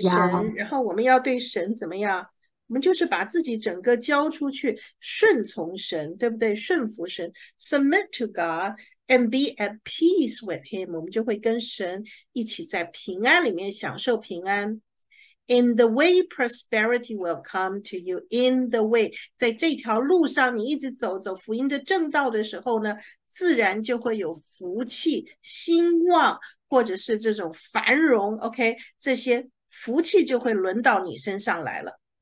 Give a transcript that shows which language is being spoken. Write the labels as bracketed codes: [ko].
[zh] 神，然后我们要对神怎么样？我们就是把自己整个交出去，顺从神，对不对？顺服神 [en] ，submit to God and be at peace with Him。 [zh] 我们就会跟神一起在平安里面享受平安。 [en] In the way prosperity will come to you. In the way， [zh] 在这条路上你一直走，走福音的正道的时候呢，自然就会有福气、兴旺，或者是这种繁荣。 OK， 这些福气就会轮到你身上来了。